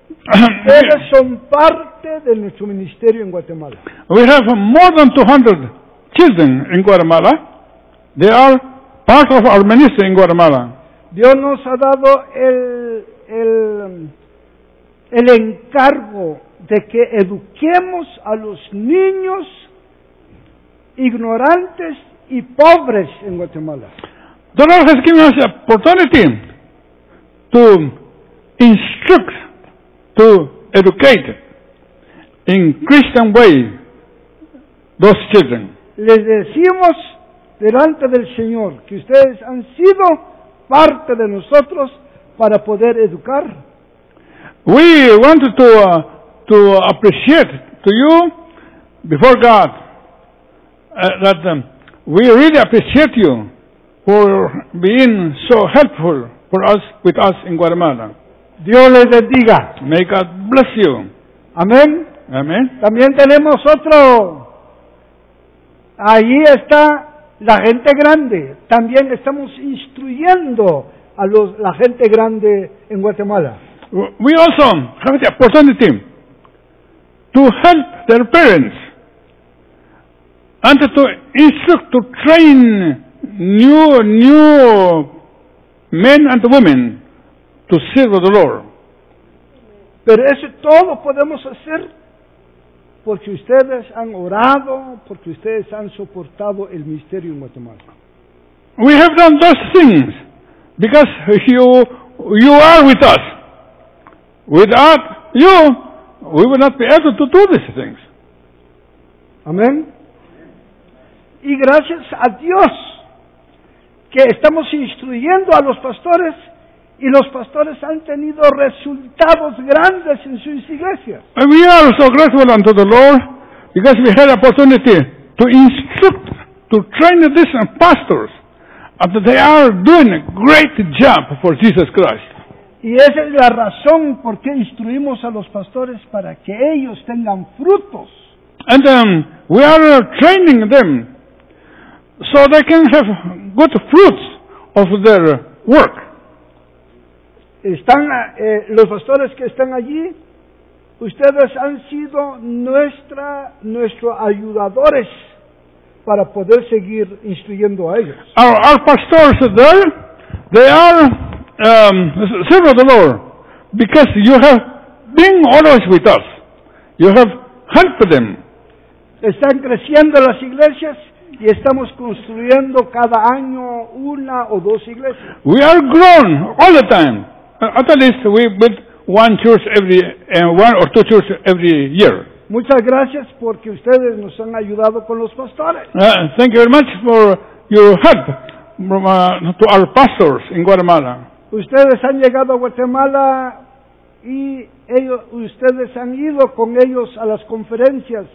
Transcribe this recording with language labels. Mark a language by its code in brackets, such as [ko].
[es] Ellos son parte de nuestro ministerio en Guatemala. [en] We have more than 200 children in Guatemala. They are part of our ministry in Guatemala. [es] Dios nos ha dado el encargo de que eduquemos a los niños ignorantes y pobres en Guatemala. [en] The Lord has given us the opportunity to instruct, to educate in Christian way those children. [es] Les decimos delante del Señor que ustedes han sido parte de nosotros para poder educar. [en] We wanted to appreciate to you before God that we really appreciate you for being so helpful for us with us in Guatemala. [es] Dios les bendiga. [en] May God bless you. [es] Amén. Amén. También tenemos otro. Ahí está la gente grande. También estamos instruyendo a la gente grande en Guatemala. [en] We also have the opportunity to help their parents and to instruct, to train new men and women to serve the Lord. [es] Pero eso todo podemos hacer porque ustedes han orado, porque ustedes han soportado el ministerio en Guatemala. [en] We have done those things Because you are with us. Without you, we would not be able to do these things. [es] Amén. Y gracias a Dios que estamos instruyendo a los pastores y los pastores han tenido resultados grandes en sus iglesias. [en] And we are so grateful unto the Lord because we had the opportunity to instruct, to train these pastors and they are doing a great job for Jesus Christ. [es] Y esa es la razón por qué instruimos a los pastores para que ellos tengan frutos. [en] And we are training them so they can have good fruits of their work. [es] Están los pastores que están allí, ustedes han sido nuestros ayudadores para poder seguir instruyendo a ellos. [en] Our pastors there, they are servant of the Lord, because you have been always with us. You have helped them. [es] Están creciendo las iglesias y estamos construyendo cada año una o dos iglesias. [en] We are grown all the time. At least we build one church every one or two churches every year. [es] Muchas gracias porque ustedes nos han ayudado con los pastores. [en] Thank you very much for your help to our pastors in Guatemala. [es] Ustedes han llegado a Guatemala y ustedes han ido con ellos a las conferencias.